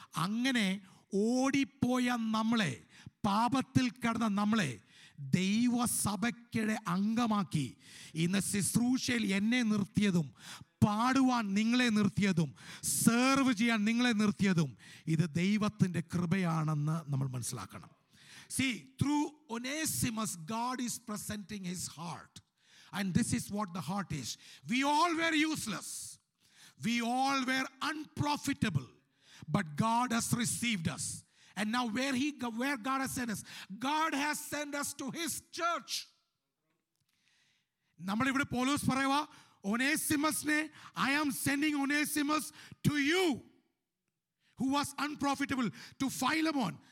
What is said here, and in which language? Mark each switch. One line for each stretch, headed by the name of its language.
Malayalam: അങ്ങനെ ഓടിപ്പോയ നമ്മളെ, പാപത്തിൽ കിടന്ന നമ്മളെ ദൈവസഭയ്ക്കിടെ അംഗമാക്കി ഇന്ന് ശുശ്രൂഷയിൽ എന്നെ നിർത്തിയതും, പാടുവാൻ നിങ്ങളെ നിർത്തിയതും, സെർവ് ചെയ്യാൻ നിങ്ങളെ നിർത്തിയതും ഇത് ദൈവത്തിൻ്റെ കൃപയാണെന്ന് നമ്മൾ മനസ്സിലാക്കണം.
English: See, through Onesimus, God is presenting his heart. And this is what the heart is. We all were useless. We all were unprofitable. But God has received us. And now where God has sent us? God has sent us to his church.
Malayalam: നമ്മുടെ ഇവിടെ പോലോസ് പറയുവാ, ഒനേസിമസിനെ,
English: I am sending Onesimus to you who was unprofitable to Philemon.